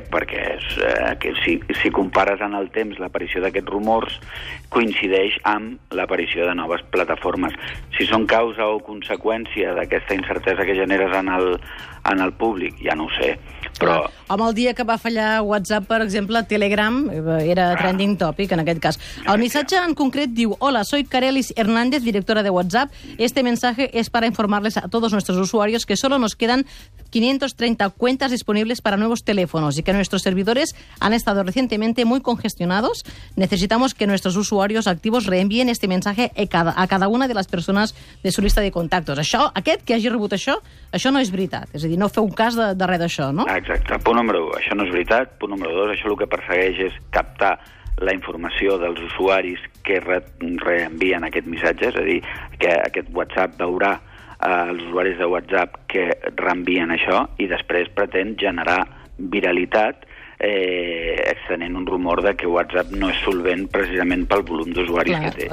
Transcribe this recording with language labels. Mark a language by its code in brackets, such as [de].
[ca] Perquè si compares en el temps l'aparició d'aquests rumors, coincideix amb l'aparició de noves plataformes. Si són causa o conseqüència d'aquesta incertesa que generes en el públic, ja no ho sé. Però amb el dia que va fallar WhatsApp, per exemple, Telegram era trending topic en aquest cas. El missatge en concret diu: [es] "Hola, soy Karelis Hernández, directora de WhatsApp. Este mensaje es para informarles a todos nuestros usuarios que solo nos quedan 530 cuentas disponibles para nuevos teléfonos y que nuestros servidores han estado recientemente muy congestionados. Necesitamos que nuestros usuarios activos reenvíen este mensaje a cada una de las personas de su lista de contactos". [ca] Això, aquest que hagi rebut això no és veritat. És a dir, no feu un cas de res d'això, no? Exacte. Punt número 1, això no és veritat. Punt número 2, això el que persegueix és captar la informació dels usuaris que reenvien aquest missatge, és a dir, que aquest WhatsApp veurà els usuaris de WhatsApp que reenvien això i després pretén generar viralitat extenent un rumor de que WhatsApp no és solvent precisament pel volum d'usuaris que té.